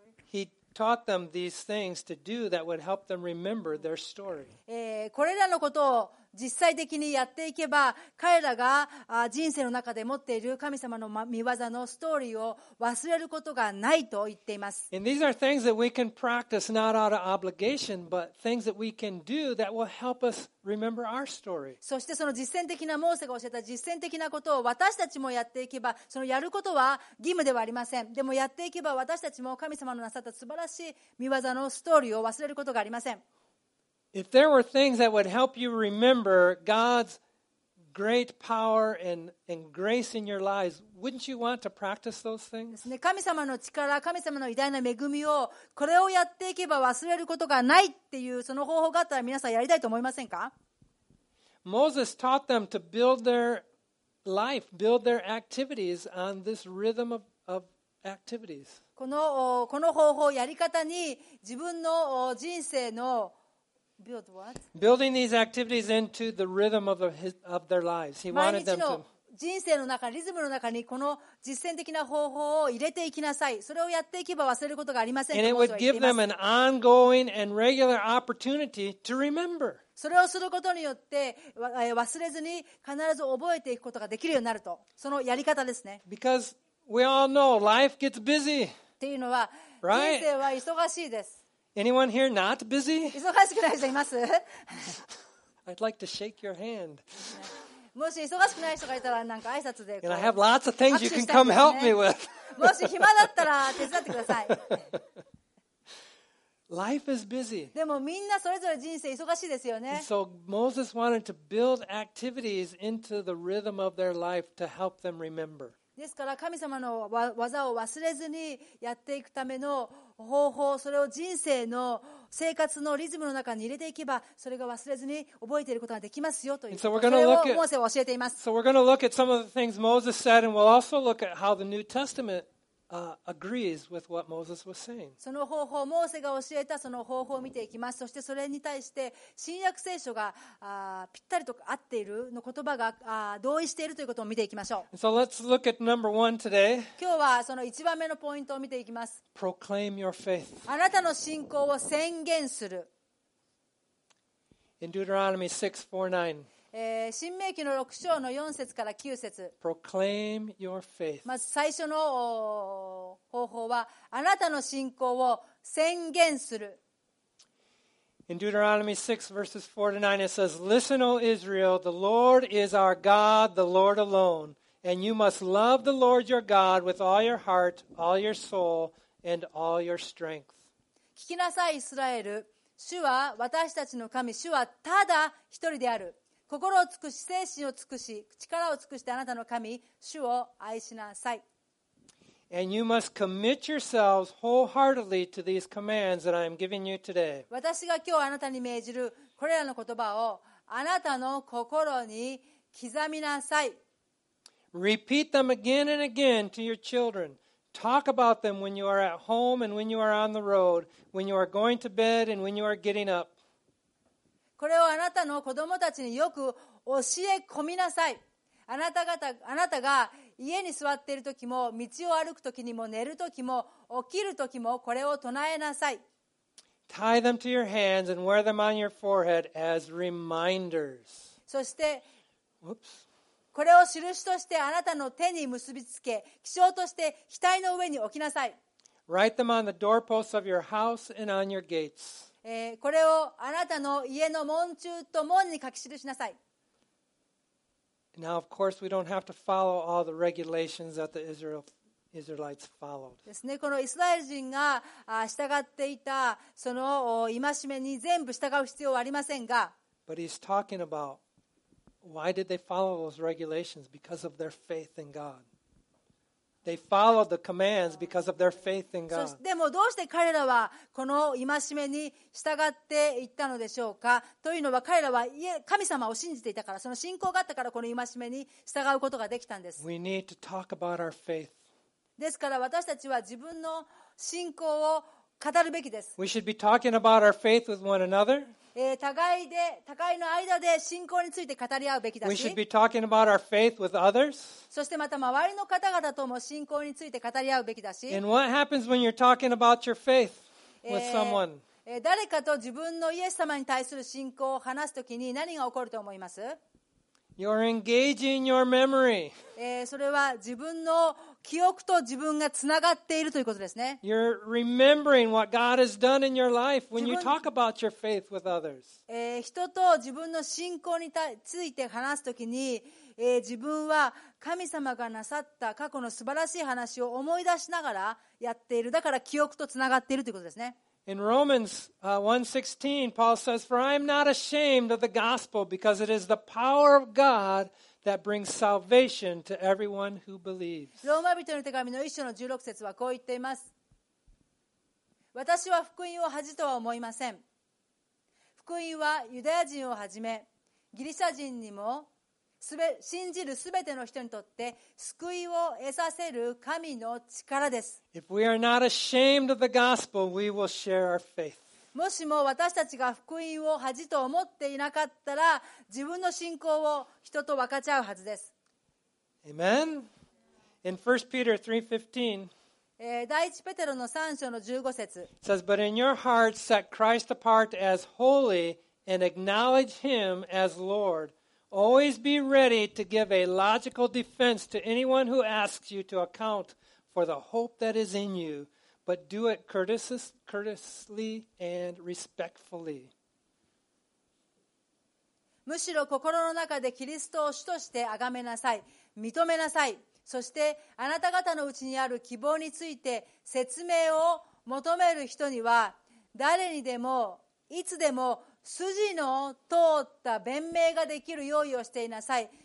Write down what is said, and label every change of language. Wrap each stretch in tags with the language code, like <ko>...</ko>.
<en>He taught them these things to do that would help them remember their story.</en> <ja>これらのことを実際的にやっていけば彼らが人生の中で持っている神様の御業のストーリーを忘れることがないと言っています。</ja> <en>And these are things that we can practice not out of obligation, but things that we can do that will help us remember our story.</en> <ja>そしてその実践的なモーセが教えた実践的なことを私たちもやっていけば、そのやることは義務ではありません。でもやっていけば私たちも神様のなさった素晴らしい御業のストーリーを忘れることがありません。</ja> <en>If there were things that would help you remember God's great power and grace in your lives, wouldn't you want to practice those things?</en> <ja>神様の力、神様の偉大な恵みをこれをやっていけば忘れることがないっていうその方法があったら皆さんやりたいと思いませんか?</ja> <en>Moses taught them to build their life, build their activities on this rhythm of activities.</en> <ja>この方法、やり方に自分の人生の</ja> <en>Build what? Building these activities into the rhythm of their lives. He wanted them to.</en> <ja>毎日の人生の中、リズムの中にこの実践的な方法を入れていきなさい。それをやっていけば忘れることがありません。</ja> <en>And it would give them an ongoing and regular opportunity to remember.</en> <ja>それをすることによって忘れずに必ず覚えていくことができるようになると。そのやり方ですね。</ja> <en>Because we all know life gets busy.</en> <ja>っていうのは人生は忙しいです。</ja> <en>Anyone here not busy?</en> <ja>忙しくない人います?</ja> <en>I'd like to shake your hand.</en> <ja>もし忙しくない人がいたらなんか挨拶で。</ja> <en>And I have lots of things you can come help me with.</en> <ja>もし暇だったら手伝ってください。</ja> <en>Life is busy.</en> <ja>でもみんなそれぞれ人生忙しいですよね。</ja> <en>So Moses wanted to build activities into the rhythm of their life to help them remember.</en> <ja>ですから神様の技を忘れずにやっていくための方法、それを人生の生活のリズムの中に入れていけば、それが忘れずに覚えていることができますよという。</ja> <en>So、</en> <ja>それをモーセは教えています。</ja> <en>So we're going to look at some of the things Moses said, and we'll also look at how the New Testament agrees with what Moses was saying.</en> <ja>その方法、モーセが教えたその方法を見ていきます。そしてそれに対して新約聖書がぴったりと合っているの言葉が同意しているということを見ていきましょう。</ja> <en>So let's look at number one today.</en> <ja>今日はその一番目のポイントを見ていきます。</ja> <en>Proclaim your faith.</en> <ja>あなたの信仰を宣言する。</ja> <en>In Deuteronomy 6:4-9.</en> <ja>新命記の6章の4節から9節。</ja> <en>Proclaim your faith.</en> <ja>まず最初の方法はあなたの信仰を宣言する。</ja> <en>In Deuteronomy 6 verses 4 to 9 it says, Listen, O Israel, the Lord is our God, the Lord alone, and you must love the Lord your God with all your heart, all your soul, and all your strength.</en> <ja>聞きなさい、イスラエル。主は私たちの神、主はただ一人である。心を尽くし、精神を尽くし、力を尽くしてあなたの神、主を愛しなさい。</ja> <en>And you must commit yourselves wholeheartedly to these commands that I am giving you today.</en> <ja>私が今日あなたに命じるこれらの言葉をあなたの心に刻みなさい。</ja> <en>Repeat them again and again to your children. Talk about them when you are at home and when you are on the road, when you are going to bed and when you are getting up.</en> <ja>これをあなたの子供たちによく教え込みなさい。あなたが家に座っているときも、道を歩くときにも、寝るときも、起きるときも、これを唱えなさい。</ja> <en>Tie them to your hands and wear them on your forehead as reminders.</en> <ja>そして、</ja> <en>Oops.</en> <ja>これを印としてあなたの手に結びつけ、記章として額の上に置きなさい。</ja> <en>Write them on the doorposts of your house and on your gates.</en> <ja>これをあなたの家の門中と門に書き記しなさい。</ja> <en>Now, of course, we don't have to follow all the regulations that the Israelites followed.</en> <ja>ですね、このイスラエル人が従っていたその戒めに全部従う必要はありませんが。</ja> <en>But he's talking about why did they follow those regulations? Because of their faith in God. They followed the commands because of their faith in God.</en> <ja>でもどうして彼らはこの戒めに従っていったのでしょうか。というのは彼らは神様を信じていたから、その信仰があったからこの戒めに従うことができたんです。</ja> <en>We need to talk about our faith.</en> <ja>ですから私たちは自分の信仰を語るべきです。</ja> <en>We should be talking about our faith with one another.</en> <ja>互いの間で信仰について語り合うべきだし、</ja> <en>We should be talking about our faith with others.</en> <ja>そしてまた周りの方々とも信仰について語り合うべきだし、</ja> <en>And what happens when you're talking about your faith with someone?</en> <ja>誰かと自分のイエス様に対する信仰を話すときに何が起こると思います?</ja> <en>You're engaging your memory.</en> <ja>それは自分の記憶と自分がつながっているということですね。</ja> <en>You're remembering what God has done in your life when you talk about your faith with others.</en> <ja>人と自分の信仰について話すときに、自分は神様がなさった過去の素晴らしい話を思い出しながらやっている。だから記憶とつながっているということですね。</ja> <en>In Romans 1:16, Paul says, "For I am not ashamed of the gospel, because it is the power of God." That brings salvation to everyone who believes.</en> <ja>ローマ人の手紙の1章の16節はこう言っています。私は福音を恥とは思いません。福音はユダヤ人をはじめギリシャ人にも信じるすべての人にとって救いを得させる神の力です。</ja> <en>If we are not ashamed of the gospel, we will share our faith.</en> <ja>もしも私たちが福音を恥と思っていなかったら、自分の信仰を人と分かち合うはずです。</ja> <en>Amen. In 1 Peter 3:15,</en> <ja>第一ペテロの3章の15節、</ja> <en>It says, "But in your hearts set Christ apart as holy and acknowledge Him as Lord. Always be ready to give a logical defense to anyone who asks you to account for the hope that is in you." But do it courteously and respectfully.</en> <ja>むしろ心の中でキリストを主として崇めなさい、認めなさい。そしてあなた方のうちにある希望について説明を求める人には誰にでもいつでも筋の通った弁明ができる用意をしていなさい。</ja>